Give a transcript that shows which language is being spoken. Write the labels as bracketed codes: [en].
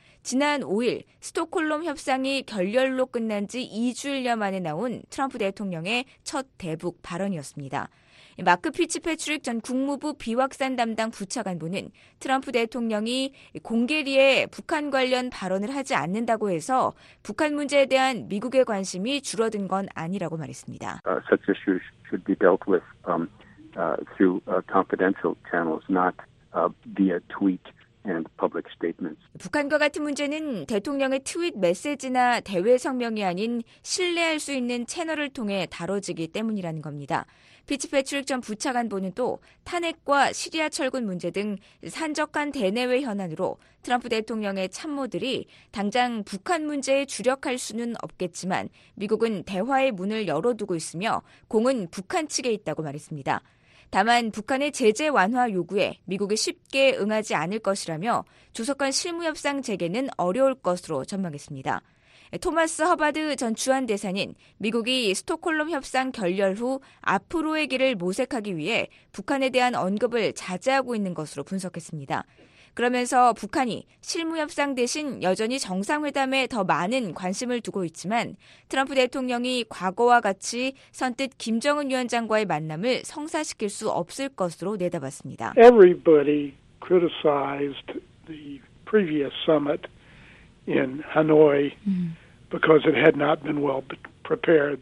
[ko] 지난 5일 스톡홀름 협상이 결렬로 끝난 지 2주일여 만에 나온 트럼프 대통령의 첫 대북 발언이었습니다. 마크 피츠패트릭 전 국무부 비확산 담당 부차관보는 트럼프 대통령이 공개리에 북한 관련 발언을 하지 않는다고 해서 북한 문제에 대한 미국의 관심이 줄어든 건 아니라고 말했습니다. [en] Such issues should be dealt with through confidential channels, not via tweet. And public statements. [ko] 북한과 같은 문제는 대통령의 트윗 메시지나 대외 성명이 아닌 신뢰할 수 있는 채널을 통해 다뤄지기 때문이라는 겁니다. 피츠패트릭 전 부차관보는 또 탄핵과 시리아 철군 문제 등 산적한 대내외 현안으로 트럼프 대통령의 참모들이 당장 북한 문제에 주력할 수는 없겠지만 미국은 대화의 문을 열어두고 있으며 공은 북한 측에 있다고 말했습니다. 다만 북한의 제재 완화 요구에 미국이 쉽게 응하지 않을 것이라며 조석 간 실무협상 재개는 어려울 것으로 전망했습니다. 토마스 허바드 전 주한대사는 미국이 스톡홀름 협상 결렬 후 앞으로의 길을 모색하기 위해 북한에 대한 언급을 자제하고 있는 것으로 분석했습니다. 그러면서 북한이 실무협상 대신 여전히 정상회담에 더 많은 관심을 두고 있지만 트럼프 대통령이 과거와 같이 선뜻 김정은 위원장과의 만남을 성사시킬 수 없을 것으로 내다봤습니다. [en] Everybody criticized the previous summit in Hanoi because it had not been well prepared.